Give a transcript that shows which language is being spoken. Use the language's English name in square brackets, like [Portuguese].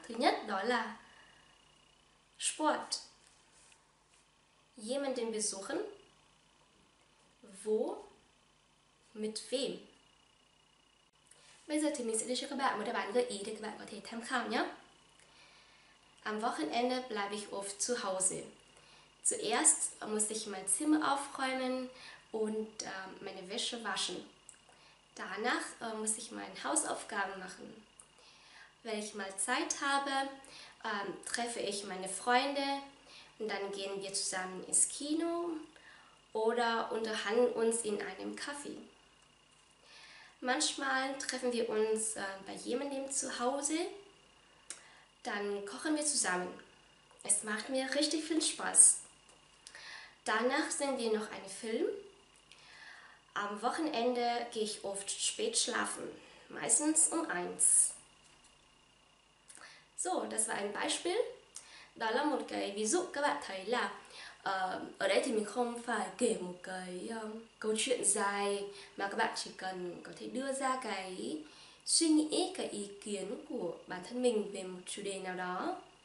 [Vietnamese] Thứ nhất đó là [German] Sport. Jemanden besuchen. Wo? Mit wem? [Vietnamese] Bây giờ thì mình sẽ đưa cho các bạn một đáp án gợi ý để các bạn có thể tham khảo nhé. [German] Am Wochenende bleibe ich oft zu Hause. Zuerst muss ich mein Zimmer aufräumen und meine Wäsche waschen. Danach muss ich meine Hausaufgaben machen. Wenn ich mal Zeit habe, treffe ich meine Freunde und dann gehen wir zusammen ins Kino oder unterhalten uns in einem Café. Manchmal treffen wir uns bei jemandem zu Hause, dann kochen wir zusammen. Es macht mir richtig viel Spaß. Danach sehen wir noch einen Film. Am Wochenende gehe ich oft spät schlafen, meistens um 1. So, das war ein Beispiel. [Vietnamese] Đó là một cái ví dụ các bạn thấy là ở đây thì mình không phải kể một cái câu chuyện dài mà các bạn chỉ cần có thể đưa ra cái suy nghĩ, cái ý kiến của bản thân mình về một chủ đề nào đó.